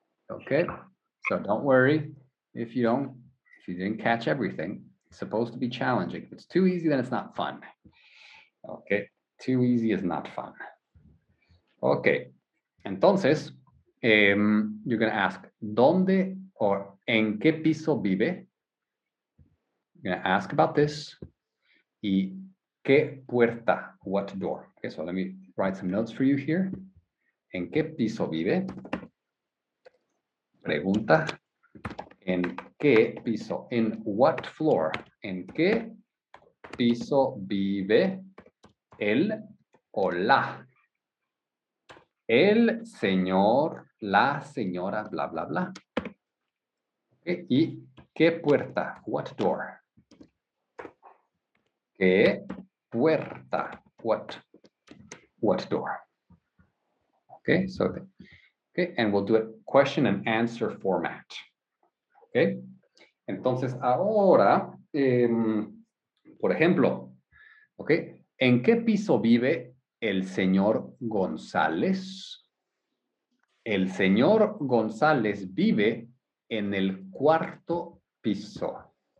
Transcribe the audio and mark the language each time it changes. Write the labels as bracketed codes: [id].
[en] Ok, so don't worry if you didn't catch everything. It's supposed to be challenging. If it's too easy, then it's not fun. Okay, too easy is not fun. [es] Okay, entonces, [en] you're going to ask, [es] ¿dónde o en qué piso vive? [en] You're going to ask about this. [es] ¿Y qué puerta? [en] What door? Okay, so let me write some notes for you here. [es] ¿En qué piso vive? Pregunta. ¿En qué piso? ¿En [en] what floor? [es] ¿En qué piso vive el o la? El señor, la señora, bla, bla, bla. Okay. ¿Y qué puerta? [en] What door? [es] ¿Qué puerta? [en] What door? Okay, so, okay, and we'll do it question and answer format. [es] Okay, entonces ahora, por ejemplo, okay, ¿en qué piso vive el señor González? El señor González vive en el cuarto piso.